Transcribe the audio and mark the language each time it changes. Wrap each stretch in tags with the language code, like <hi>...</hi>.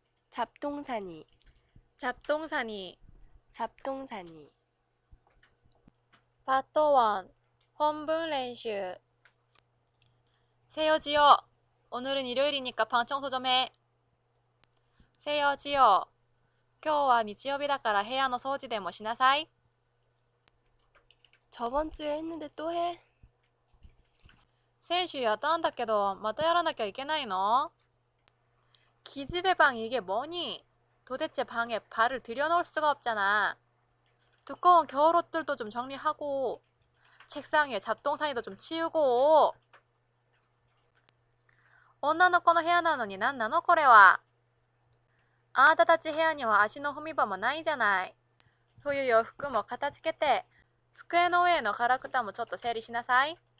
<ko>잡동사니, 잡동사니, 잡동사니. 파트 1 헌불 연습. 세여지요. 오늘은 일요일이니까 방 청소 좀 해. 세여지요.</ko> <ja>今日は 日曜日だから 部屋の 掃除 でもしなさい.</ja> <ko>저번 주에 했는데 또 해?</ko> <ja>先週やったんだけど、 またやらなきゃいけないの?</ja> <ko>기집애방 이게 뭐니? 도대체 방에 발을 들여놓을 수가 없잖아. 두꺼운 겨울옷들도 좀 정리하고, 책상에 잡동사니도 좀 치우고.</ko> <ja>女の子の部屋なのに何なのこれは?あなたたち部屋には足の踏み場もないじゃない。冬洋服も片付けて、 机の上のガラクタもちょっと整理しなさい。</ja>